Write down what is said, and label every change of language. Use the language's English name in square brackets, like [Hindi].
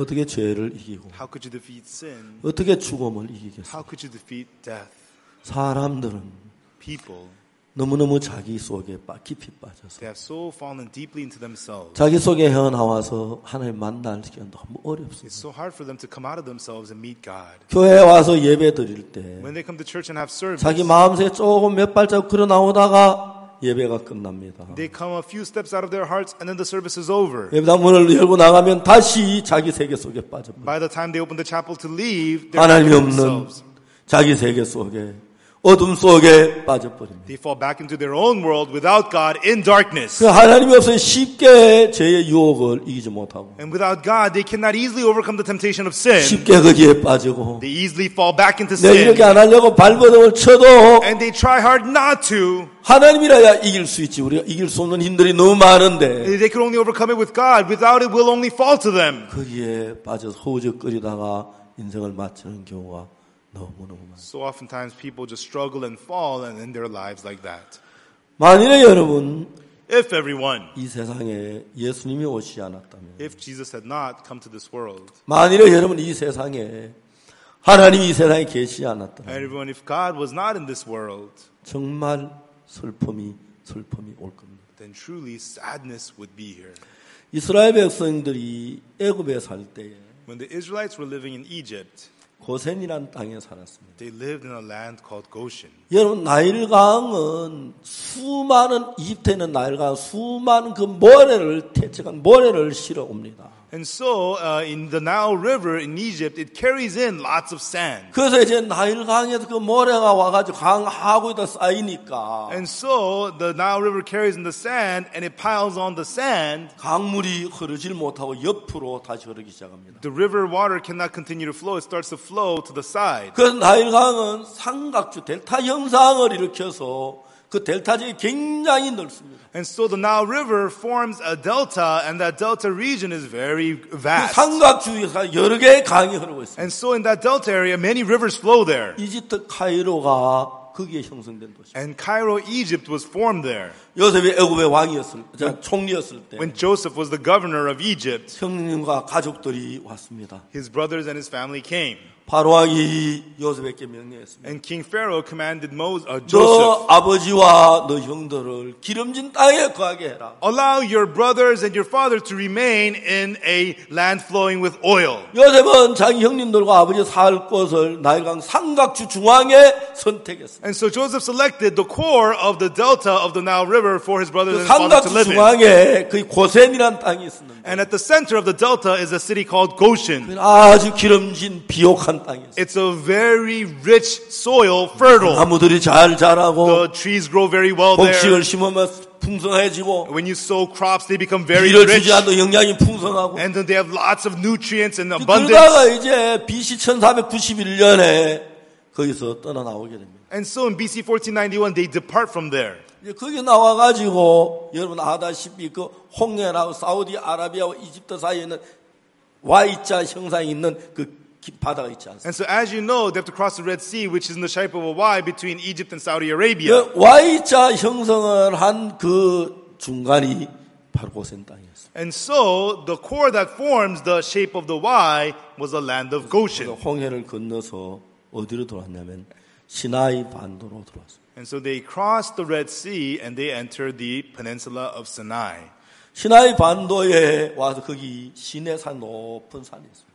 [Korean] 어떻게 죄를 이기고 [English] how could you defeat sin? [Korean] 어떻게 죽음을 이기겠습니까? [English] How could you defeat death? [Korean] 사람들은 [English] people [Korean] 너무너무 자기 속에 깊이 빠져서 [English] they have so fallen deeply into themselves. [Korean] 자기 속에 헤어나와서 하나님 만날 시간 너무 어렵습니다. [English] It's so hard for them to come out of themselves and meet God. [Korean] 교회에 와서 예배 드릴 때 [English] when they come to church and have service, [Korean] 자기 마음속에 조금 몇 발자국 걸어 나오다가 예배가 끝납니다. [English] They come a few steps out of their hearts and then the service is over. [Korean] 예배당 문을 열고 나가면 다시 자기 세계 속에 빠져버려. [English] By the time they open the chapel to leave, [Korean] 하나님 없는 자기 세계 속에 어둠 속에 빠져버립니다. [English] They fall back into their own world without God in darkness. [Korean] 그 하나님 없으면 쉽게 죄의 유혹을 이기지 못하고. [English] And without God, they cannot easily overcome the temptation of sin. [Korean] 쉽게 거기에 빠지고. [English] They easily fall back into sin. [Korean] 내가 이렇게 안 하려고 발버둥을 쳐도. [English] And they try hard not to. [Korean] 하나님이라야 이길 수 있지. 우리가 이길 수 없는 힘들이 너무 많은데. [English] They can only overcome it with God. Without it, will only fall to them. [Korean] 거기에 빠져서 허우적거리다가 인생을 마치는 경우가. 너무너무 많아요. [English] So oftentimes people just struggle and fall and end their lives like that. [Korean] 만일에 여러분, [English] if everyone, [Korean] 이 세상에 예수님이 오시지 않았다면, [English] if Jesus had not come to this world, [Korean] 만일에 여러분 이 세상에 하나님이 이 세상에 계시지 않았다면, [English] and everyone, if God was not in this world, [Korean] 정말 슬픔이 올 겁니다. [English] Then truly sadness would be here. [Korean] 이스라엘 백성들이 애굽에 살 때에, [English] when the Israelites were living in Egypt. [Korean] 고센이라는 땅에 살았습니다. [English] They lived in a land called Goshen. [Korean] 여러분 나일강은 수많은 이집트에 있는 나일강 수많은 그 모래를 퇴적한 모래를 실어 옵니다. [English] And so in the Nile River in Egypt, it carries in lots of sand. [Korean] 그래서 이제 나일강에서 그 모래가 와가지고 강하고 있다 쌓이니까. [English] And so the Nile River carries in the sand, and it piles on the sand. [Korean] 강물이 흐르질 못하고 옆으로 다시 흐르기 시작합니다. [English] The river water cannot continue to flow. It starts to flow to the side. [Korean] 그래서 나일강은 삼각주 델타 현상을 일으켜서 그 델타지역이 굉장히 넓습니다. [English] And so the Nile River forms a delta, and that delta region is very vast. [Korean] 그 삼각주에서 여러 개의 강이 흐르고 있어요. [English] And so in that delta area, many rivers flow there. [Korean] 이집트 카이로가 거기에 형성된 도시. [English] And Cairo, Egypt was formed there. [Korean] 요셉이 애굽의 왕이었을 때, 총리였을 때. [English] When Joseph was the governor of Egypt. [Korean] 형님과 가족들이 왔습니다. [English] His brothers and his family came. [Korean] 파로왕이 요셉에게 명령했습니다. [English] And King Pharaoh commanded Moses, Joseph. [Korean] 너 아버지와 너 형들을 기름진 땅에 거하게 해라. [English] Allow your brothers and your father to remain in a land flowing with oil. [Korean] 요셉은 자기 형님들과 아버지 살 곳을 나일강 삼각주 중앙에 선택했습니다. [English] And so Joseph selected the core of the delta of the Nile River for his brothers and father to live in. [Korean] 그 삼각주 중앙에 그 고센이란 땅이 있었는데. [English] And at the center of the delta is a city called Goshen. [Korean] 아주 기름진 비옥 [English] It's a very rich soil, fertile. [Korean] 나무들이 잘 자라고. [English] The trees grow very well there. [Korean] 곡식을 심으면 풍성해지고. [English] When you sow crops, they become very rich. [Korean] 비를 주지 않아도 영양이 풍성하고. [English] And then they have lots of nutrients and abundance. [Korean] 그러다가 이제 BC 1491년에 거기서 떠나 나오게 됩니다. [English] And so in BC 1491, they depart from there. [Korean] 거기 나와가지고 여러분 아다시피 그 홍해라고 사우디 아라비아와 이집트 사이에 있는 Y자 형상이 있는 그 [English] And so as you know, they have to cross the Red Sea, which is in the shape of a Y between Egypt and Saudi Arabia. [Korean] Y자 형성을 한 그 중간이 바로 고센 땅이었어요. [English] And so the core that forms the shape of the Y was the land of Goshen. [Korean] 홍해를 건너서 어디로 들어왔냐면 시나이 반도로 들어왔어요. [English] And so they crossed the Red Sea and they entered the peninsula of Sinai. [Korean] 시나이 반도에 와서 거기 시내산 높은 산이 있어요.